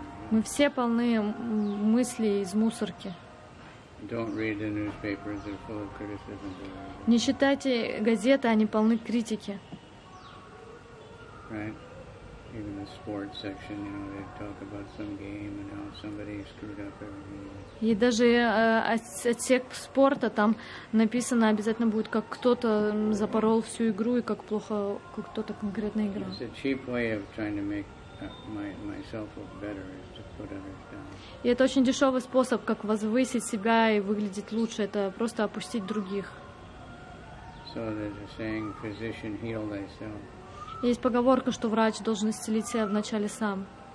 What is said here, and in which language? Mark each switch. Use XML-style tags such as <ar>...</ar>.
<ru>Мы все полны мыслей из мусорки. Не читайте газеты, они полны критики.</ru> <en>Right? Even the sports section, you know, they talk about some game and how somebody screwed up everything.</en> <ru>И даже отсек спорта там написано обязательно будет, как кто-то запорол всю игру и как плохо кто-то конкретно играл.</ru> <en>It's a cheap way of trying to make myself look better is to put others down.</en> <ru>И это очень дешевый способ, как возвысить себя и выглядеть лучше, это просто опустить других.</ru> <en>So there's a saying, physician, heal thyself.</en> <ru>Есть поговорка, что врач должен исцелить себя вначале сам.</ru>